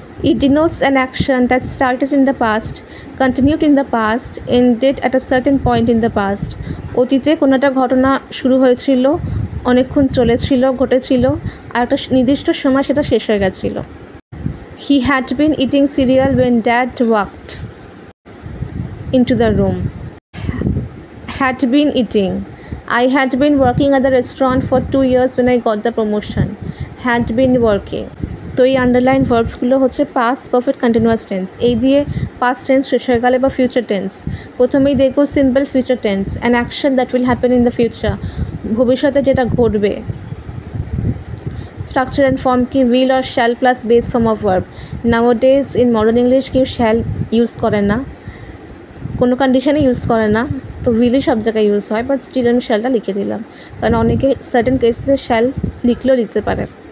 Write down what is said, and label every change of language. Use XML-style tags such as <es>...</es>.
<en>it denotes an action that started in the past, continued in the past, ended at a certain point in the past,</en> <bn>অতীতে কোনো একটা ঘটনা শুরু হয়েছিল, অনেকক্ষণ চলেছিল, ঘটেছিল, আর একটা নির্দিষ্ট সময় সেটা শেষ হয়ে গেছিলো।</bn> <en>He had been eating cereal when dad walked into the room, had been eating, I had been working at the restaurant for 2 years when I got the promotion. Had been working.</en> <bn>তো এই underline ভার্বসগুলো হচ্ছে past perfect continuous tense. এই দিয়ে past tense শেষ হয়ে গেলে বা future tense. প্রথমেই দেখবো</bn> <en>simple future tense, an action that will happen in the future,</en> <bn>ভবিষ্যতে যেটা ঘটবে।</bn> <en>Structure and form কি, will or shall plus base form of verb. Nowadays in modern English</en> <bn>কেউ শ্যাল ইউজ করে না, কোনো কন্ডিশনে ইউজ করে না, তো উইলই সব জায়গায় ইউজ হয়, বাট স্টিল আমি শ্যালটা লিখে দিলাম, কারণ অনেকে সার্টেন কেসেসে শ্যাল লিখলেও লিখতে পারে।</bn>